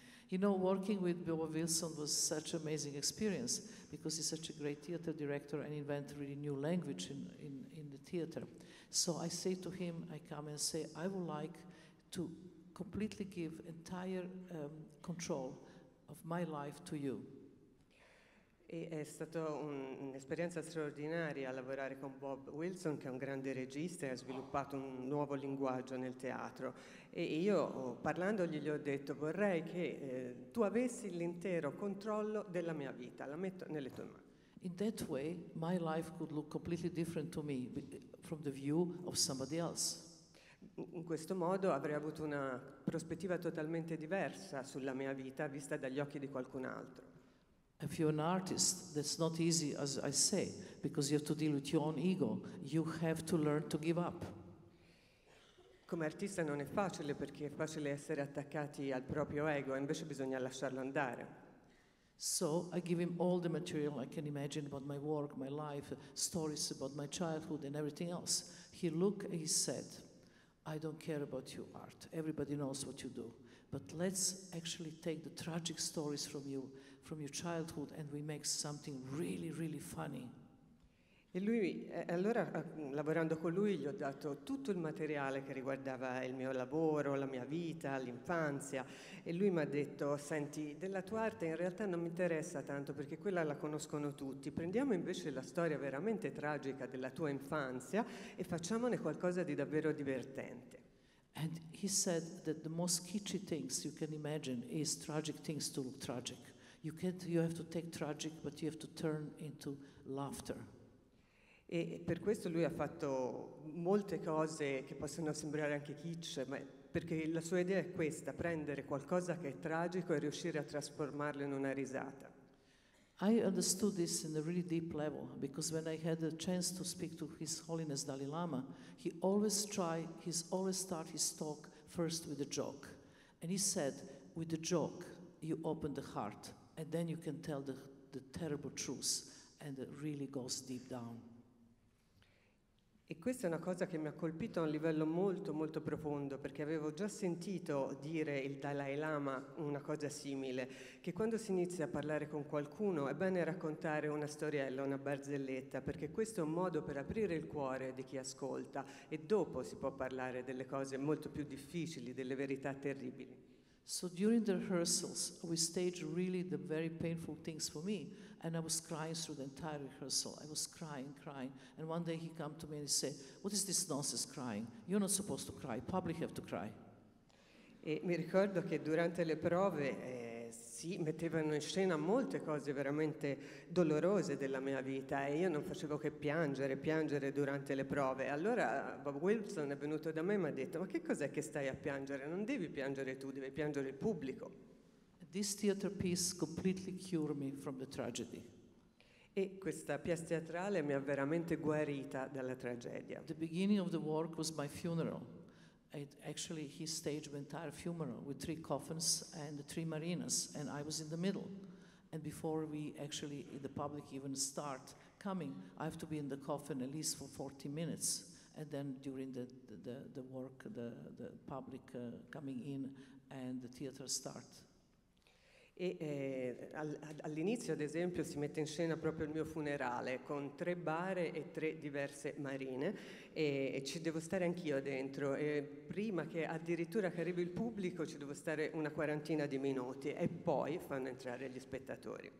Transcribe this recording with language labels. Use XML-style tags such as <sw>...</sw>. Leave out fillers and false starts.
<en>You know, working with Bob Wilson was such an amazing experience because he's such a great theater director and invented a really new language in the theater. So I say to him, I come and say, I would like to completely give entire control of my life to you.</en> <it>E è stata un'esperienza straordinaria lavorare con Bob Wilson, che è un grande regista e ha sviluppato un nuovo linguaggio nel teatro. E io, parlandogli, gli ho detto, vorrei che tu avessi l'intero controllo della mia vita, la metto nelle tue mani.</it> <en>In that way, my life could look completely different to me from the view of somebody else.</en> <it>In questo modo avrei avuto una prospettiva totalmente diversa sulla mia vita, vista dagli occhi di qualcun altro.</it> <en>If you're an artist, that's not easy, as I say, because you have to deal with your own ego. You have to learn to give up.</en> <it>Come artista non è facile, perché è facile essere attaccati al proprio ego, invece bisogna lasciarlo andare.</it> <en>So I give him all the material I can imagine about my work, my life, stories about my childhood and everything else. He looked and he said, I don't care about your art. Everybody knows what you do. But let's actually take the tragic stories from you, from your childhood, and we make something really, really funny. E</en> <it>E lui, allora, lavorando con lui, gli ho dato tutto il materiale che riguardava il mio lavoro, la mia vita, l'infanzia, e lui mi ha detto: senti, della tua arte in realtà non mi interessa tanto, perché quella la conoscono tutti, prendiamo invece la storia veramente tragica della tua infanzia e facciamone qualcosa di davvero divertente.</it> <en>And he said that the most kitschy things you can imagine is tragic things to look tragic. You can't, you have to take tragic, but you have to turn into laughter.</en> <it>E per questo lui ha fatto molte cose che possono sembrare anche kitsch, ma perché la sua idea è questa: prendere qualcosa che è tragico e riuscire a trasformarlo in una risata.</it> <en>I understood this in a really deep level, because when I had the chance to speak to His Holiness Dalai Lama, he always start his talk first with a joke. And he said, with a joke you open the heart, and then you can tell the terrible truth, and it really goes deep down.</en> <it>E questa è una cosa che mi ha colpito a un livello molto molto profondo, perché avevo già sentito dire il Dalai Lama una cosa simile, che quando si inizia a parlare con qualcuno è bene raccontare una storiella, una barzelletta, perché questo è un modo per aprire il cuore di chi ascolta, e dopo si può parlare delle cose molto più difficili, delle verità terribili.</it> <en>So during the rehearsals we staged really the very painful things for me, and I was crying through the entire rehearsal. I was crying, and one day he came to me and he said, what is this nonsense crying? You're not supposed to cry, public have to cry.</en> <it>E mi ricordo che durante le prove si mettevano in scena molte cose veramente dolorose della mia vita, e io non facevo che piangere durante le prove. Allora Bob Wilson è venuto da me e mi ha detto: ma che cos'è che stai a piangere? Non devi piangere tu, devi piangere il pubblico.</it> <en>This theater piece completely cured me from the tragedy.</en> <it>E questa pièce teatrale mi ha veramente guarita dalla tragedia.</it> <en>The beginning of the work was my funeral. It actually, he staged the entire funeral with three coffins and three marinas, and I was in the middle. And before we actually, the public even start coming, I have to be in the coffin at least for 40 minutes. And then during the work, the public coming in and the theater start.</en> <it>E all'inizio, ad esempio, si mette in scena proprio il mio funerale con tre bare e tre diverse marine, e ci devo stare anch'io dentro, e prima che addirittura che arrivi il pubblico ci devo stare una quarantina di minuti, e poi fanno entrare gli spettatori.</it>